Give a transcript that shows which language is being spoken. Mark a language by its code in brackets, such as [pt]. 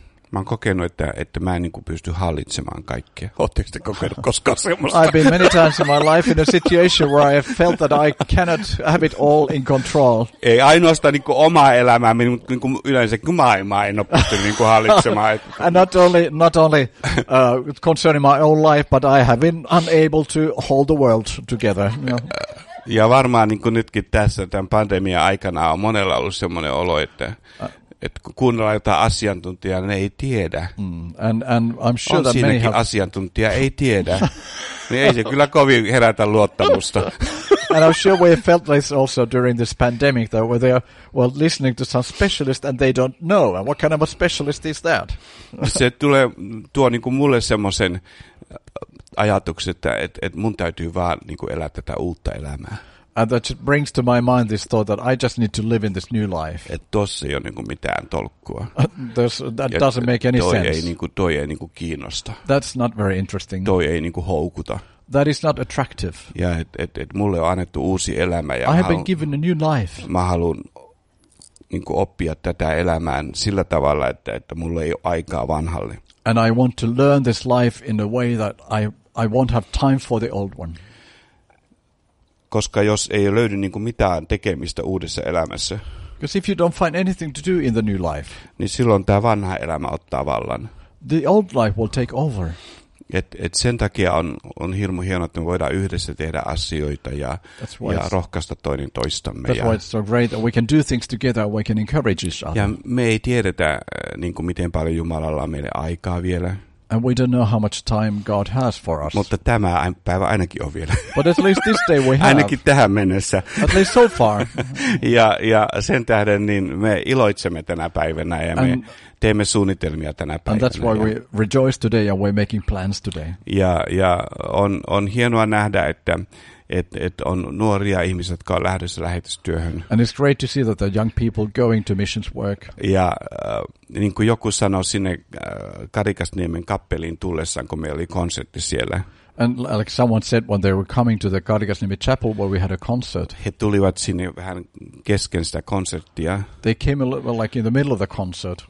[fi] Mä oon kokenut, että mä en niin kuin pysty hallitsemaan kaikkea. Oletteko te kokenut koskaan semmoista? [en] I've been many times in my life in a situation where I felt that I cannot have it all in control. [fi] Ei ainoastaan niin kuin omaa elämääni, mutta niin kuin yleensä kuin maailmaa en ole pystynyt niin kuin hallitsemaan. [en] And not only concerning my own life, but I have been unable to hold the world together. You know? [fi] Ja varmaan niin kuin nytkin tässä tämän pandemian aikana on monella ollut semmoinen olo, että kun kuunnellaan jotain asiantuntijaa, ne ei tiedä. [en] And I'm sure [fi] on [en] that [fi] siinäkin [en] many have... [fi] asiantuntija, ei tiedä. Niin ei se kyllä kovin herätä luottamusta. [en] And I'm sure we felt this also during this pandemic, though, where they are well, listening to some specialist and they don't know. And what kind of a specialist is that? [fi] Se tulee, tuo niin kuin mulle semmoisen ajatukset, että mun täytyy vaan niin kuin elää tätä uutta elämää. [en] And that just brings to my mind this thought that I just need to live in this new life. [fi] Että tossa ei ole niin kuin mitään tolkkua. [en] That doesn't make any sense. [fi] Toi ei niin kuin kiinnosta. [en] That's not very interesting. [fi] Toi ei niin kuin houkuta. [en] That is not attractive. [fi] Ja et mulle on annettu uusi elämä. Ja [en] I have been given a new life. [fi] Mä haluan niin kuin oppia tätä elämää sillä tavalla, että mulla ei ole aikaa vanhalle. [en] And I want to learn this life in a way that I won't have time for the old one. [fi] Koska jos ei löydy niin kuin mitään tekemistä uudessa elämässä. [en] Because if you don't find anything to do in the new life. [fi] Niin silloin tämä vanha elämä ottaa vallan. [en] The old life will take over. [fi] Et sen takia on hirmu hienoa, että me voidaan yhdessä tehdä asioita ja rohkaista toinen toistamme. [en] That's why it's so great that we can do things together, we can encourage each other. [fi] Ja me ei tiedetä, niin kuin miten paljon Jumalalla on meille aikaa vielä. [en] And we don't know how much time God has for us. [fi] Mutta tämä päivä ainakin on vielä. [en] But at least this day we have. [fi] Ainakin tähän mennessä. [en] At least so far. [fi] Ja sen tähden niin me iloitsemme tänä päivänä ja me teemme suunnitelmia tänä päivänä. [en] And that's why we rejoice today and we're making plans today. [fi] Ja on hienoa nähdä, että on nuoria ihmisiä, jotka on lähdössä lähetystyöhön. [en] And it's great to see that the young people going to missions work. [fi] Ja niin kuin joku sanoi sinne Karikasniemen kappeliin tullessaan, kun meillä oli konsertti siellä. [en] And like someone said when they were coming to the Karikasniemi chapel where we had a concert. [fi] He tulivat sinne vähän kesken sitä konserttia. [en] They came a little like in the middle of the concert.